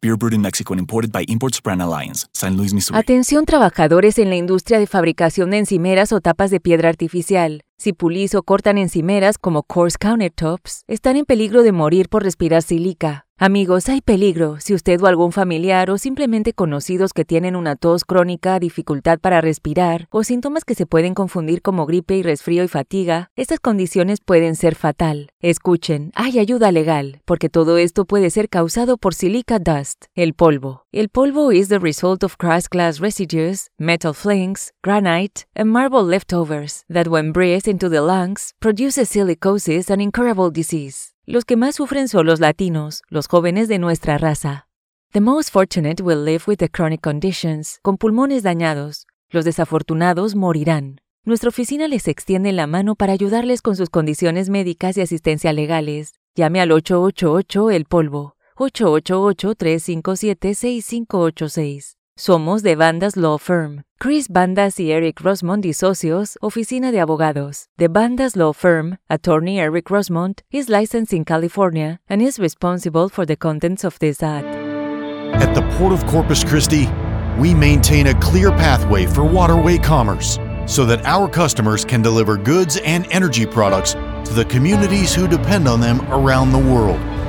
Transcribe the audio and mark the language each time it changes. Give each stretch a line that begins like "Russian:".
English: Beer brewed in Mexico and imported by Imports Brand Alliance. San Luis, Missouri.
Spanish: Atención trabajadores en la industria de fabricación de encimeras o tapas de piedra artificial. Si pulís o cortan encimeras como
English: coarse countertops,
Spanish: están en peligro de morir por respirar sílica. Amigos, hay peligro. Si usted o algún familiar o simplemente conocidos que tienen una tos crónica, dificultad para respirar o síntomas que se pueden confundir como gripe y resfrío y fatiga, estas condiciones pueden ser fatal. Escuchen, hay ayuda legal, porque todo esto puede ser causado por
English: silica dust,
Spanish: el polvo. El polvo
English: is the result of crushed glass residues, metal flings, granite, and marble leftovers that when breathed into the lungs, produces silicosis and incurable disease.
Spanish: Los que más sufren son los latinos, los jóvenes de nuestra raza.
English: The most fortunate will live with the chronic conditions,
Spanish: con pulmones dañados. Los desafortunados morirán. Nuestra oficina les extiende la mano para ayudarles con sus condiciones médicas y asistencia legales. Llame al 888-EL-POLVO, 888-357-6586. Somos de Bandas Law Firm. Chris Bandas y Eric Rosmond y socios, oficina de abogados.
English: The Bandas Law Firm, attorney Eric Rosmond, is licensed in California and is responsible for the contents of this ad. At the Port of Corpus Christi, we maintain a clear pathway for waterway commerce so that our customers can deliver goods and energy products to the communities who depend on them around the world.